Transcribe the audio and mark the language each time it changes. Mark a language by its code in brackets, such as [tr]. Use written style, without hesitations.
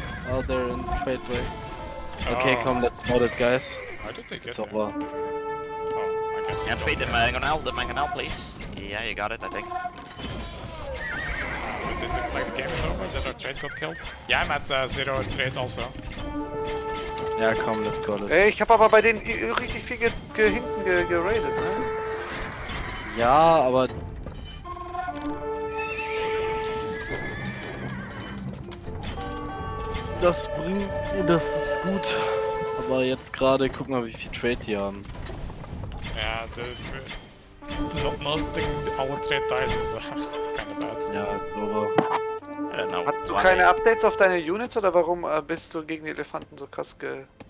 [en] Oh, they're in the trade way. Okay, come, let's mod it, guys. I don't think it's over. Can I feed the Mangonel? The Mangonel, please. Yeah, you got it, I think. It looks like the game is over, that our trade got killed. Yeah, I'm at zero trade also. Yeah, come, let's go. [de] Hey, ich hab aber bei den richtig viel hinten geradet, ne? Ja, aber... Das bringt... Das ist gut. Aber jetzt gerade, guck mal, wie viel Trade die haben. Ja, the... [en] Not nothing, our trade dies is kind of bad. [de] Ja, ist over. Hattest du keine Updates auf deine Units, oder warum bist du gegen die Elefanten so krass ge...